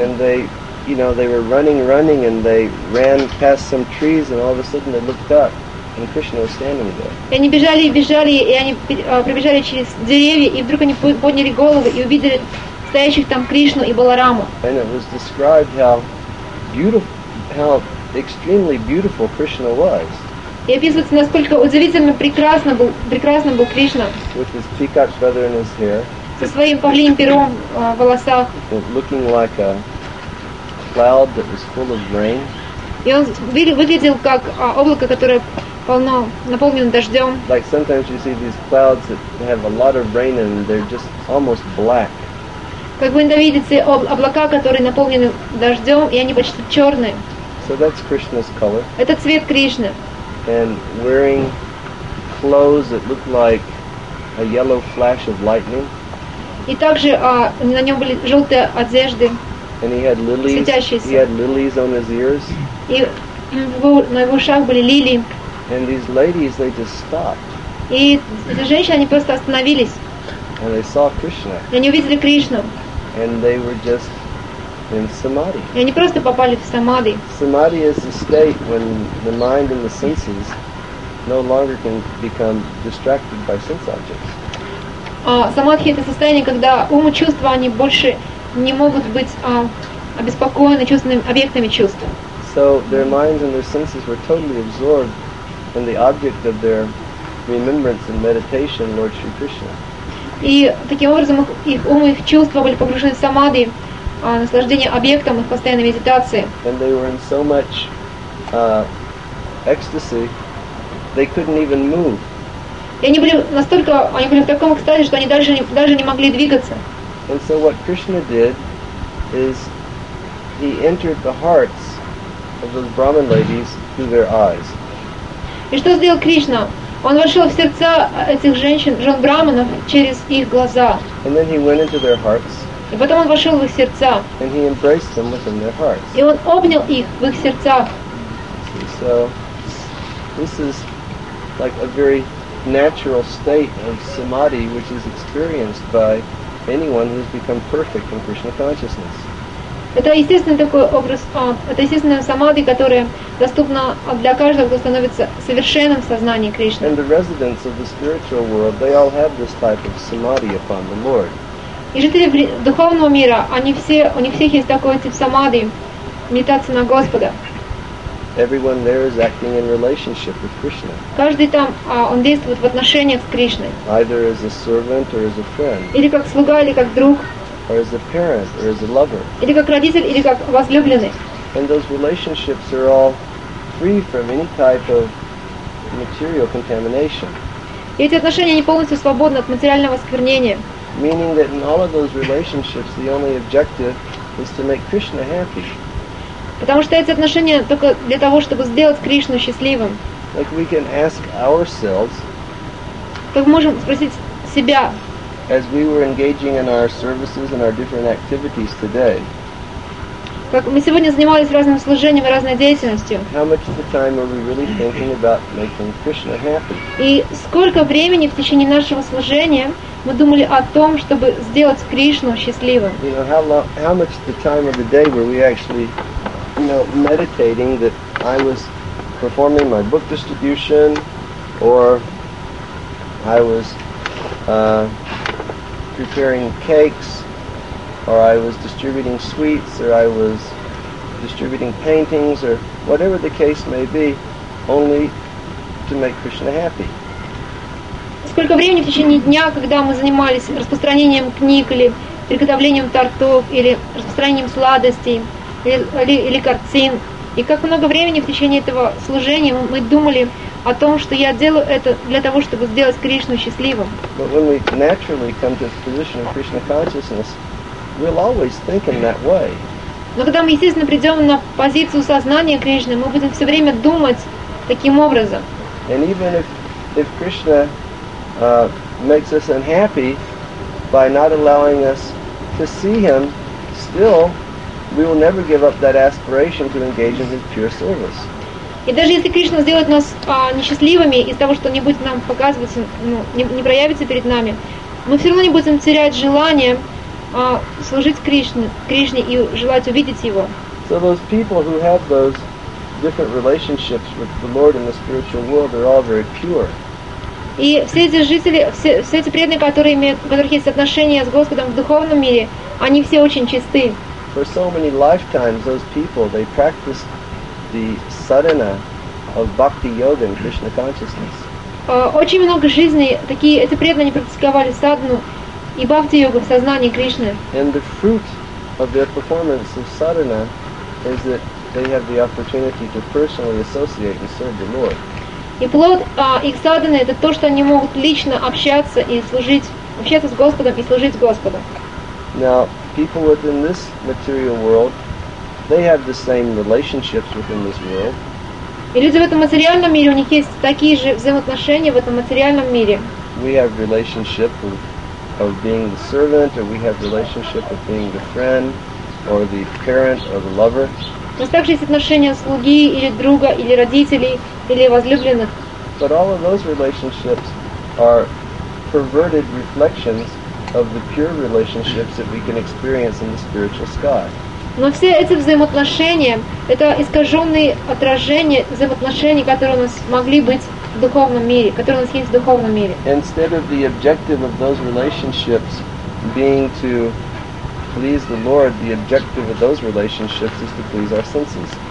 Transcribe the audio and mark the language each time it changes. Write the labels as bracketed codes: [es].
[en] And they, you know, they were running, and they ran past some trees, and all of a sudden they looked up, and Krishna was standing there. [ru] И они бежали, и они пробежали через деревья, и вдруг они подняли головы и увидели стоящих там Кришну и Балараму. [en] And it was described how extremely beautiful Krishna was. [ru] И описывается, насколько удивительно прекрасным был Кришна. [en] With his peacock feather in his hair. [ru] Со своим павлиньим пером в волосах. [en] Looking like a cloud that was full of rain. [ru] И он выглядел как облако, которое полно, наполнено дождем. [en] Like sometimes you see these clouds that have a lot of rain and they're just almost black. [ru] Как вы иногда видите облака, которые наполнены дождем, и они почти черные. [en] So that's Krishna's color. [ru] Это цвет Кришны. [en] And wearing clothes that look like a yellow flash of lightning. [ru] И также на нем были желтые одежды, светящиеся. [en] He had lilies on his ears. [ru] И на его ушах были лилии. [en] And these ladies, they just stopped. [ru] И эти женщины, они просто остановились. [en] And they saw Krishna. [ru] И они увидели Кришну. [en] And they were just in samadhi. [ru] И они просто попали в самадхи. [en] Samadhi is the state when the mind and the senses no longer can become distracted by sense objects. [ru] Самадхи — это состояние, когда ум и чувства, они больше не могут быть обеспокоены чувственными объектами чувств. [en] So their minds and their senses were totally absorbed in the object of their remembrance and meditation, Lord Sri Krishna. [ru] И таким образом их ум и их чувства были погружены в самадхи, наслаждение объектом их постоянной медитации. [en] And they were in so much ecstasy, they couldn't even move. [ru] И они были настолько, они были в таком экстазе, что они даже не могли двигаться. [en] And so what Krishna did is he entered the hearts of those Brahmin ladies through their eyes. [ru] И что сделал Кришна? Он вошел в сердца этих женщин, жен Брахманов, через их глаза. [en] And then he went into their hearts. [ru] И потом он вошел в их сердца. [en] And he embraced them within their hearts. [ru] И он обнял их в их сердцах. [en] So this is like a very natural state of samadhi, which is experienced by anyone who's become perfect in Krishna consciousness. [ru] Это естественный такой образ, это естественная самадхи, которая доступна для каждого, кто становится совершенным в сознании Кришны. [en] And the residents of the spiritual world, they all have this type of samadhi upon the Lord. [ru] И жители духовного мира, они все, у них всех есть такой тип самадхи, медитация на Господа. [en] Everyone there is acting in relationship with Krishna. [ru] Каждый там, он действует в отношениях с Кришной. [en] Either as a servant or as a friend. [ru] Или как слуга, или как друг. [en] Or as a parent, or as a lover. [ru] Или как родитель, или как возлюбленный. [en] And those relationships are all free from any type of material contamination. [ru] И эти отношения, они полностью свободны от материального осквернения. [en] meaning that in all of those relationships the only objective is to make Krishna happy. [ru] Потому что эти отношения только для того, чтобы сделать Кришну счастливым. [en] Like we can ask ourselves. [ru] Как мы можем спросить себя? [en] As we were engaging in our services and our different activities today. [ru] Как мы сегодня занимались разным служением и разной деятельностью. [en] How much of the time are we really thinking about making Krishna happy? [ru] И сколько времени в течение нашего служения мы думали о том, чтобы сделать Кришну счастливым? [en] You know, how much of the time of the day were we actually, you know, meditating that I was performing my book distribution, or I was preparing cakes, or I was distributing sweets, or I was distributing paintings, or whatever the case may be, only to make Krishna happy. [ru] Сколько времени в течение дня, когда мы занимались распространением книг или приготовлением тортов или распространением сладостей? Или картин. И как много времени в течение этого служения мы думали о том, что я делаю это для того, чтобы сделать Кришну счастливым. [en] But when we naturally come to the position of Krishna consciousness, we'll always think in that way. [ru] Но когда мы естественно придем на позицию сознания Кришны, мы будем все время думать таким образом. [en] And even if Krishna makes us unhappy by not allowing us to see him, still we will never give up that aspiration to engage in his pure service. [ru] И даже если Кришна сделает нас несчастливыми из-за того, что не будет нам показываться, ну, не проявится перед нами, мы все равно не будем терять желание служить Кришне и желать увидеть его. [en] So those people who have those different relationships with the Lord in the spiritual world, they're all very pure. [ru] И все эти жители, все эти преданные, которые имеют, у которых есть отношения с Господом в духовном мире, они все очень чисты. [en] For so many lifetimes, those people, they practiced the sadhana of bhakti yoga and Krishna consciousness. [ru] Очень много жизней такие эти преданные практиковали садхану и бхакти йогу в сознании Кришны. [en] And the fruit of their performance of sadhana is that they have the opportunity to personally associate and serve the Lord. [ru] И плод их садхана это то, что они могут лично общаться и служить, общаться с Господом и служить Господу. [en] Now, people within this material world, they have the same relationships within this world. [ru] И люди в этом материальном мире, у них есть такие же взаимоотношения в этом материальном мире. [en] We have relationship of being the servant, or we have relationship of being the friend, or the parent, or the lover. [ru] У нас также есть отношения слуги, или друга, или родителей, или возлюбленных. [en] But all of those relationships are perverted reflections of the pure relationships that we can experience in the spiritual sky. [ru] Но все эти взаимоотношения это искажённые отражения взаимоотношений, которые у нас могли быть в духовном мире, которые у нас есть в духовном мире. [en] Instead of the objective of those relationships being to please the Lord, the objective of those relationships is to please our senses.